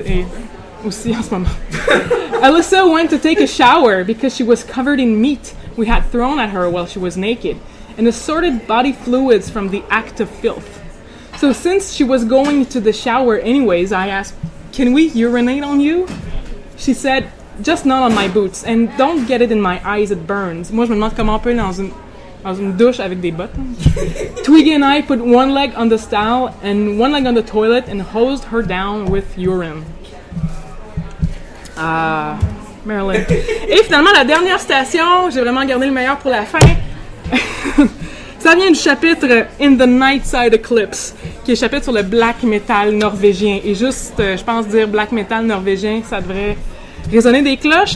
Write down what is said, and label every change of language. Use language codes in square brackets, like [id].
[fr] Et aussi en ce moment. [en] Alyssa went to take a shower because she was covered in meat we had thrown at her while she was naked and assorted body fluids from the act of filth. So since she was going to the shower anyways, I asked, can we urinate on you? She said, just not on my boots, and don't get it in my eyes, it burns. [fr] Moi, je me demande comment on peut dans une douche avec des bottes. [en] Twiggy and I put one leg on the stall and one leg on the toilet and hosed her down with urine. [fr] Ah, Marilyn. Et finalement, la dernière citation, j'ai vraiment gardé le meilleur pour la fin. Ça vient du chapitre In the Nightside Eclipse, qui est chapitre sur le black metal norvégien. Et juste, je pense, dire black metal norvégien, ça devrait résonner des cloches.